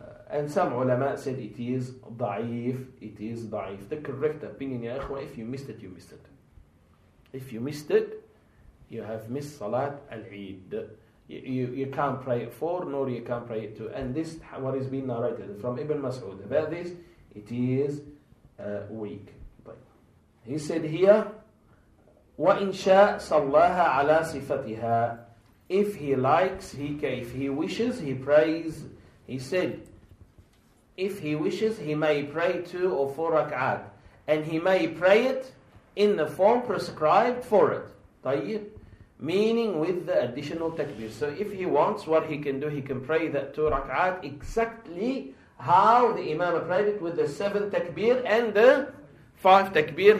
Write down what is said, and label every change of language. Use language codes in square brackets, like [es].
[en] And some ulama said it is da'if. The correct opinion, ya ikhwa, if you missed it, you missed it. If you missed it, you have missed Salat al-Eid. You can't pray it 4, nor you can't pray it 2. And this, what is being narrated from Ibn Mas'ud about this, it is weak. He said here, [ar] وَإِنْ شَاءَ صَلَّاهَا عَلَى صِفَتِهَا. [en] If he likes, if he wishes, he prays. He said, if he wishes, he may pray 2 or 4 rak'at. And he may pray it in the form prescribed for it. [ar] طيب. [en] Meaning with the additional takbir. So if he wants, what he can do, he can pray that 2 rak'at exactly how the imam prayed it with the 7 takbir and the 5 takbir.